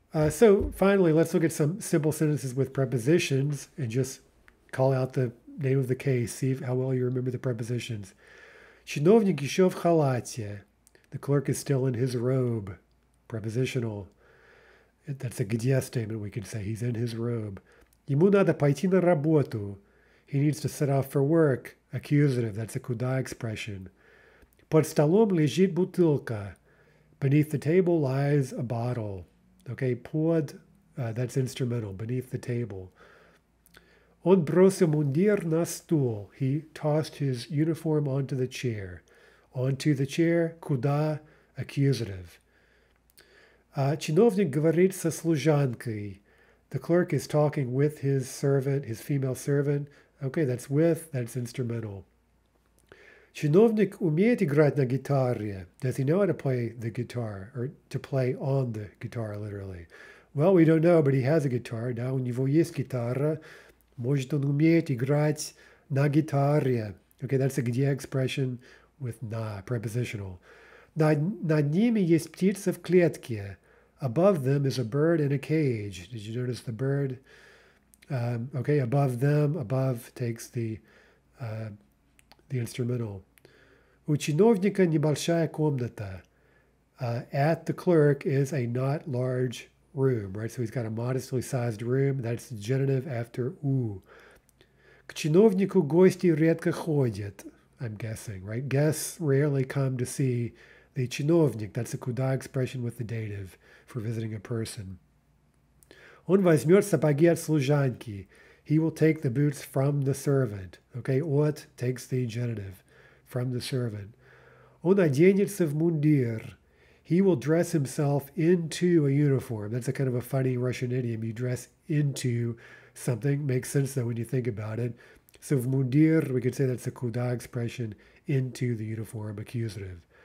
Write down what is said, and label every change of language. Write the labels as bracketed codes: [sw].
[en] So finally, let's look at some simple sentences with prepositions and just call out the name of the case. See how well you remember the prepositions. [ru] Чиновник еще в халате. [en] The clerk is still in his robe. Prepositional. That's a где statement, we could say. He's in his robe. [ru] Ему надо пойти на работу. [en] He needs to set off for work. Accusative, that's a куда expression. [ru] Под столом лежит бутылка. [en] Beneath the table lies a bottle. Okay, под, that's instrumental, beneath the table. [ru] Он бросил мундир на стул. [en] He tossed his uniform onto the chair. Onto the chair, куда, accusative. [ru] Чиновник говорит со служанкой. [en] The clerk is talking with his servant, his female servant. Okay, that's with, that's instrumental. [ru] Чиновник умеет играть на гитаре. [en] Does he know how to play the guitar, or to play on the guitar, literally? Well, we don't know, but he has a guitar. [ru] Да, у него есть гитара. Может он умеет играть на гитаре. [en] Okay, that's a где expression with на, prepositional. [ru] Над ними есть птица в клетке. [en] Above them is a bird in a cage. Did you notice the bird? Okay, above them, above takes the instrumental. [ru] У чиновника небольшая комната. [en] At the clerk is a not large room, right? So he's got a modestly sized room. That's the genitive after у. [ru] К чиновнику гости редко ходят, [en] I'm guessing, right? Guests rarely come to see the чиновник. That's a куда expression with the dative for visiting a person. [ru] Он возьмет сапоги от служанки. [en] He will take the boots from the servant. Okay, от takes the genitive, from the servant. [ru] Он оденется в мундир. [en] He will dress himself into a uniform. That's a kind of a funny Russian idiom. You dress into something. Makes sense, though, when you think about it. So [ru] в мундир, [en] we could say that's a куда expression, into the uniform, accusative.